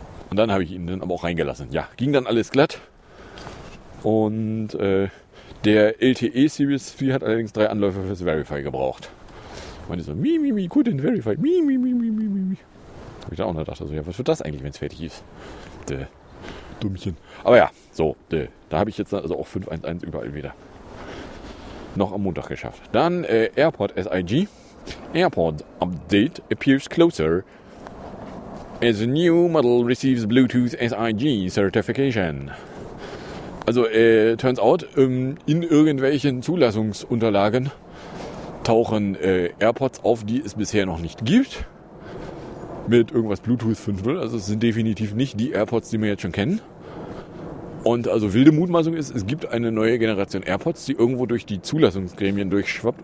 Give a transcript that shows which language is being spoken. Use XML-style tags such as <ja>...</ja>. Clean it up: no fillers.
<de>Und dann habe ich ihn dann aber auch reingelassen. Ja, ging dann alles glatt. Und der LTE Series 4 hat allerdings 3 Anläufe fürs Verify gebraucht. Und die so, mi,</de> <en>couldn't verify,</en> <de>mi. Habe ich dann auch noch gedacht, also, ja, was wird das eigentlich, wenn es fertig ist? Däh. Dummchen. Aber ja, so, da habe ich jetzt also auch 5.1.1 überall wieder. Noch am Montag geschafft. Dann AirPod SIG.</de> <en>AirPod Update appears closer as a new model receives Bluetooth SIG Certification.</en> <de>Also,</de> <en>turns out,</en> <de>in irgendwelchen Zulassungsunterlagen tauchen AirPods auf, die es bisher noch nicht gibt. Mit irgendwas Bluetooth 5.0. Also es sind definitiv nicht die AirPods, die wir jetzt schon kennen. Und also wilde Mutmaßung ist, es gibt eine neue Generation AirPods, die irgendwo durch die Zulassungsgremien durchschwappt.</de>